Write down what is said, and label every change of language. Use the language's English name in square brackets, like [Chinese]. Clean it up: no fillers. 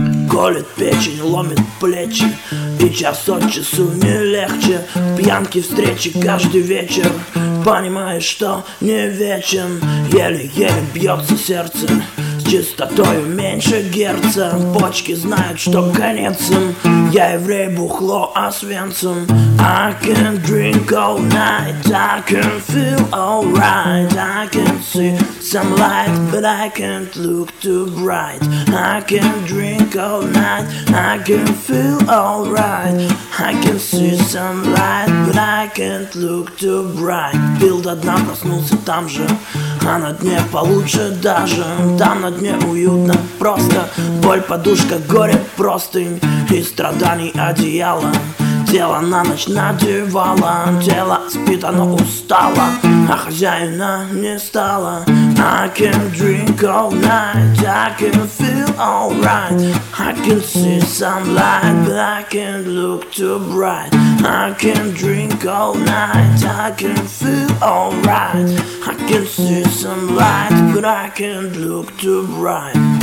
[Russian] Колет печень, ломит плечи, и час от часу не легче. Пьянки, встречи каждый вечер, понимаешь, что не вечен. Еле-еле бьется сердце, с частотой меньше герца. Почки знают, что конец им. Я еврей, бухло, Освенцим. [English] I can drink all night, I can feel alright, I can see some light, but I can't look too bright. I can drink all night, I can feel alright, I can see some light, but I can't look too bright. [Russian] Пил до дна, проснулся там же, а на дне получше даже. Там на дне уютно, просто боль, подушка, горе, простынь и страданий одеяло. Тело на ночь надевало, тело спит, оно устало, а хозяина не стало. [English] I can drink all night, I can feel alright, I can see some light, but I can't look too bright. I can drink all night, I can feel alright, I can see some light, but I can't look too bright.